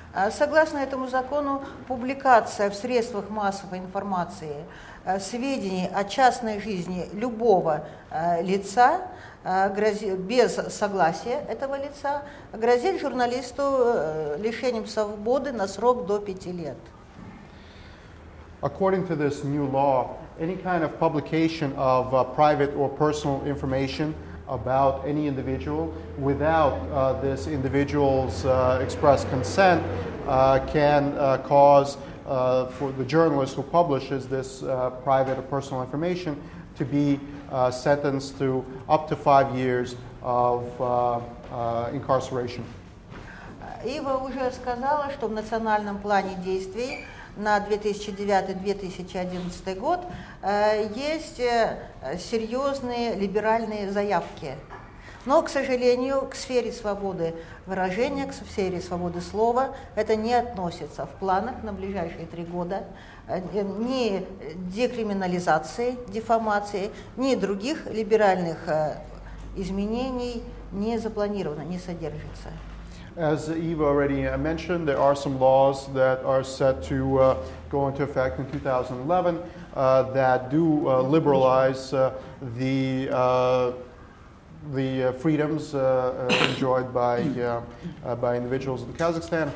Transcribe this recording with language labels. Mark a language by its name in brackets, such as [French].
[Russian] Согласно этому закону, публикация в средствах массовой информации сведений о частной жизни любого лица без согласия этого лица грозит журналисту лишением свободы на срок до 5 лет. [English] According to this new law, any kind of publication of private or personal information about any individual without this individual's express consent can cause for the journalist who publishes this private or personal information to be sentenced to up to 5 years of incarceration. [Russian] Ива уже сказала, что в национальном плане действий на 2009-2011 год есть серьезные либеральные заявки. Но, к сожалению, к сфере свободы выражения, к сфере свободы слова это не относится. В планах на ближайшие 3 года ни декриминализации, диффамации, ни других либеральных изменений не запланировано, не содержится. [English] As Eva already mentioned, there are some laws that are set to go into effect in 2011 that do liberalize the freedoms enjoyed by individuals in Kazakhstan.